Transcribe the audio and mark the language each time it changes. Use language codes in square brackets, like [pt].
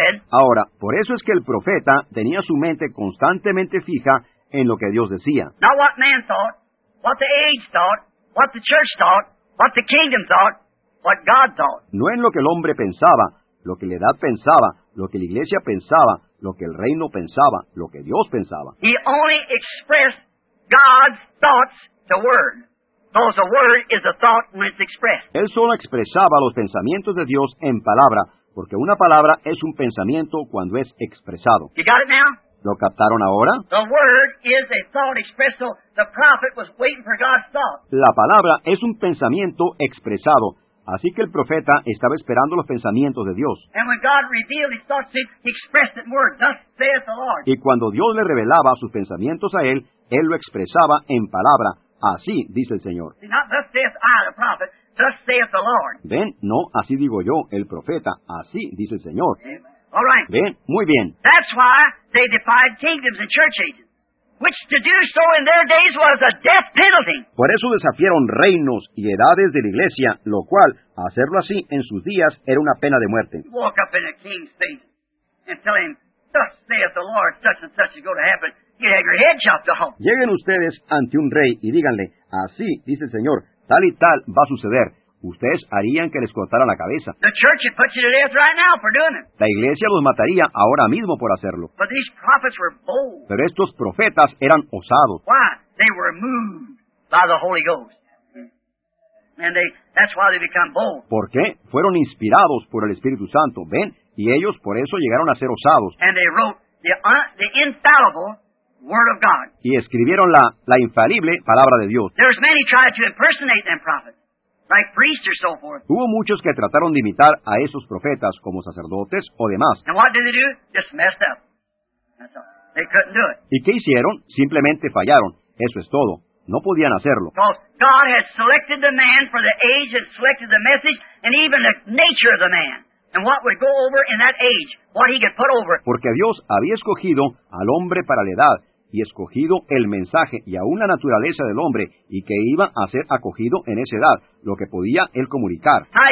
[es] Ahora, por eso es que el profeta tenía su mente constantemente fija en lo que Dios decía. [en] Not what man thought, what the age thought, what the church thought, what the kingdom thought, what God thought. [es] No en lo que el hombre pensaba, lo que la edad pensaba, lo que la iglesia pensaba, lo que el reino pensaba, lo que Dios pensaba. [en] He only expressed God's thoughts, the word. Because the word is a thought when it's expressed. [es] Él solo expresaba los pensamientos de Dios en palabra, porque una palabra es un pensamiento cuando es expresado. [en] You got it now? [es] ¿Lo captaron ahora? [en] The word is a thought expressed, so the prophet was waiting for God's thought. [es] La palabra es un pensamiento expresado, así que el profeta estaba esperando los pensamientos de Dios. [en] And when God revealed his thoughts, he expressed it in word. Thus saith the Lord. [es] Y cuando Dios le revelaba sus pensamientos a él, él lo expresaba en palabra. Así dice el Señor. [en] See, not thus saith I, the prophet. Thus saith the Lord. [es] Ven, no, así digo yo, el profeta. Así dice el Señor. [en] Amen. All right. [es] Bien, muy bien. [en] That's why they defied kingdoms and church ages, which to do so in their days was a death penalty. [es] Por eso desafiaron reinos y edades de la iglesia, lo cual, hacerlo así en sus días, era una pena de muerte. [en] Walk up in a king's face and tell him, thus saith the Lord, such and such is going to happen. You'd have your head chopped off. [es] Lleguen ustedes ante un rey y díganle, así dice el Señor, tal y tal va a suceder. Ustedes harían que les cortaran la cabeza. [en] The church would put you to death right now for doing it. [es] La iglesia los mataría ahora mismo por hacerlo. [en] But these prophets were bold. [es] Pero estos profetas eran osados. [en] Why? They were moved by the Holy Ghost. And that's why they become bold. [es] ¿Por qué? Fueron inspirados por el Espíritu Santo. ¿Ven? Y ellos por eso llegaron a ser osados. [en] And they wrote the infallible word of God. [es] Y escribieron la infalible palabra de Dios. [en] There's many tried to impersonate them prophets. Like priests or so forth. [es] Hubo muchos que trataron de imitar a esos profetas como sacerdotes o demás. [en] And what did they do? Just messed up. That's all. They couldn't do it. [es] ¿Y qué hicieron? Simplemente fallaron. Eso es todo. No podían hacerlo. [en] Because God has selected the man for the age and selected the message and even the nature of the man. And what would go over in that age. What he could put over. [es] Porque Dios había escogido al hombre para la edad. Y escogido el mensaje y aún la naturaleza del hombre, y que iba a ser acogido en esa edad, lo que podía él comunicar.